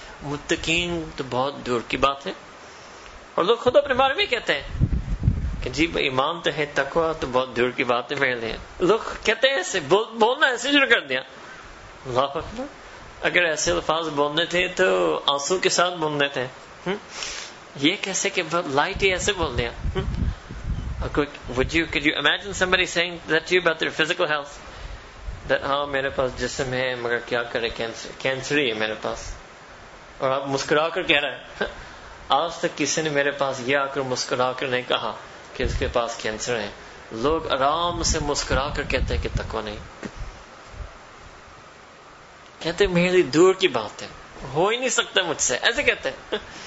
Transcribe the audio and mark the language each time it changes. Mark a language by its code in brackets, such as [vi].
[ur] متقین تو بہت دور کی بات ہے. اور لوگ خود اپنے بارے میں کہتے ہیں کہ جی ایمان تو ہے, تقویٰ تو بہت دور کی بات ہے. میرے لیے لوگ کہتے ہیں ایسے بولنا ایسے شروع کر دیا. اللہ اکبر. اگر ایسے الفاظ بولنے تھے تو آنسو کے ساتھ بولنے تھے. یہ کیسے کہ لائٹ ہی ایسے بول دیا. [en] Could you imagine somebody saying that to you about their physical health? That [ur] ہاں میرے پاس جسم ہے مگر کیا کرے, کینسر ہی ہے میرے پاس. اور آپ مسکرا کر کہہ رہے ہیں. آج تک کسی نے میرے پاس یہ آ کر مسکرا کر نہیں کہا کہ اس کے پاس کینسر ہے. لوگ آرام سے مسکرا کر کہتے ہیں کہ تقوی نہیں, کہتے میرے لیے دور کی بات ہے, ہو ہی نہیں سکتا مجھ سے, ایسے کہتے ہیں.